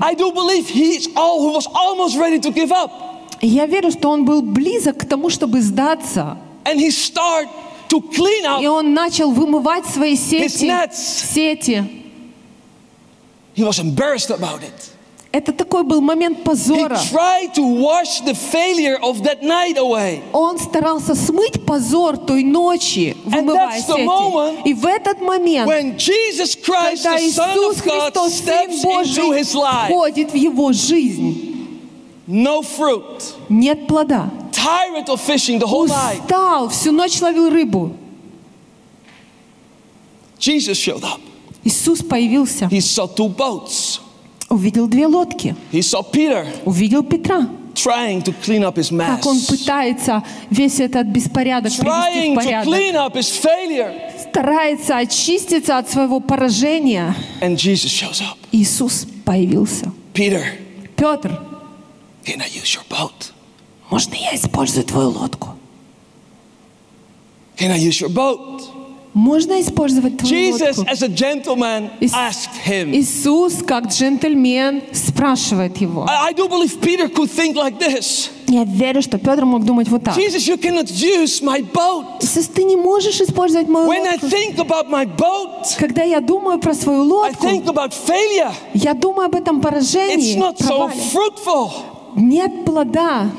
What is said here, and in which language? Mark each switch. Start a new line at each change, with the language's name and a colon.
English: I do believe he was almost ready to give up.
Russian: Я верю, что он был близок к тому, чтобы сдаться.
English: And he start to clean up.
Russian: И он начал вымывать свои сети.
English: His nets.
Russian: Сети.
English: He was embarrassed about it.
Russian: Это такой был момент позора.
English: He tried to wash the failure of that night away.
Russian: Он старался смыть позор той ночи, вымывая сети.
English: And that's the moment,
Russian: и в этот момент,
English: when Jesus Christ,
Russian: когда Иисус Христос,
English: the Son of God, steps into his life,
Russian: входит в его жизнь,
English: no fruit.
Russian: Нет плода.
English: Tired of fishing the whole night.
Russian: Устал, всю ночь ловил рыбу.
English: Jesus showed up.
Russian: Иисус появился.
English: He saw two boats.
Russian: Увидел две лодки.
English: He saw Peter.
Russian: Увидел Петра.
English: trying to clean up his mess.
Russian: Как он пытается весь этот беспорядок
English: trying
Russian: привести в порядок.
English: To clean up his failure.
Russian: Старается очиститься от своего поражения.
English: And Jesus shows up.
Russian: Иисус появился.
English: Peter.
Russian: Петр.
English: Can I use your boat?
Russian: Можно я использую твою лодку?
English: Can I use your boat?
Russian: Можно использовать твою
English: Jesus,
Russian: лодку?
English: As a gentleman, asked him.
Russian: Иисус, как джентльмен, спрашивает его.
English: I do believe Peter could think like this.
Russian: Я верю, что Петр мог думать вот так.
English: Jesus, you cannot use my boat.
Russian: Иисус, ты не можешь использовать мою
English: When
Russian: лодку.
English: I think about my boat,
Russian: когда я думаю про свою лодку,
English: I think about failure.
Russian: Я думаю об этом поражении,
English: It's not
Russian: провале.
English: So fruitful.
Russian: Нет плода.